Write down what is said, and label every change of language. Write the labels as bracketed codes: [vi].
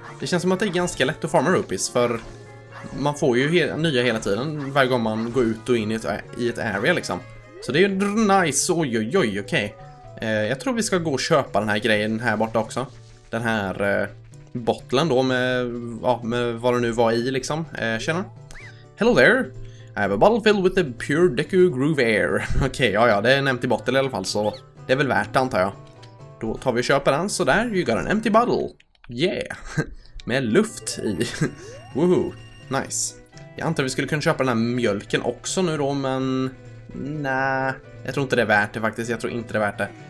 [sv] Det känns som att det är ganska lätt att farma rupees, för man får ju nya hela tiden varje gång man går ut och in i ett area liksom. Så det är ju nice, oj, okej. Jag tror vi ska gå och köpa den här grejen här borta också. Den här bottlen då med, ja, med vad det nu var i liksom. Tjena. [en] Hello there. I have a bottle filled with the pure Deku Groove Air. [sv] Okej, ja, det är en empty bottle i alla fall, så det är väl värt det, antar jag. Då tar vi och köper den, så där, [en] you got an empty bottle. [sv] Yeah. Med luft i. Woohoo. Nice. Jag antar att vi skulle kunna köpa den här mjölken också nu då, men nej, jag tror inte det är värt det faktiskt. Jag tror inte det är värt det.